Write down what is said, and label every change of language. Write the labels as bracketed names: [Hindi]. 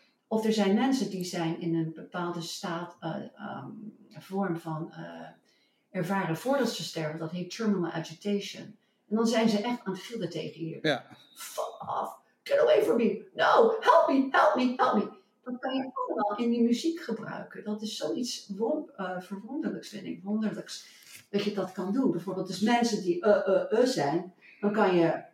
[Dutch] Of er zijn mensen die zijn in een bepaalde staat. Een vorm van ervaren voordat ze sterven, dat heet terminal agitation. En dan zijn ze echt aan het gillen tegen je. Ja. [English] Fuck off, get away from me, no, help me, help me, help me. [Dutch] Dat kan je allemaal in die muziek gebruiken. Dat is zoiets verwonderlijks, vind ik, wonderlijks, dat je dat kan doen. Bijvoorbeeld dus mensen die zijn, dan kan je.